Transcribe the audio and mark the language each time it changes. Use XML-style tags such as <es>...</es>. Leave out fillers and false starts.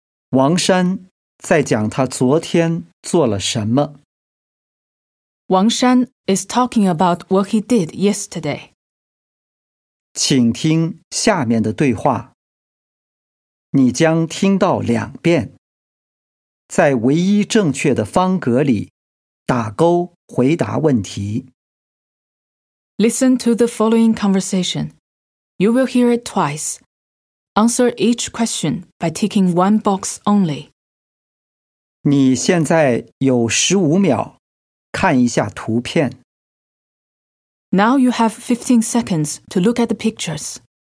<zh>王山在讲他昨天做了什么。</zh> <en>王山 is talking about what he did yesterday.</en> <zh>请听下面的对话。你将听到两遍，在唯一正确的方格里打勾回答问题。</zh> <en>Listen to the following conversation. You will hear it twice. Answer each question by ticking one box only.</en> <zh>你现在有15秒，看一下图片。</zh> <en>Now you have 15 seconds to look at the pictures.</en>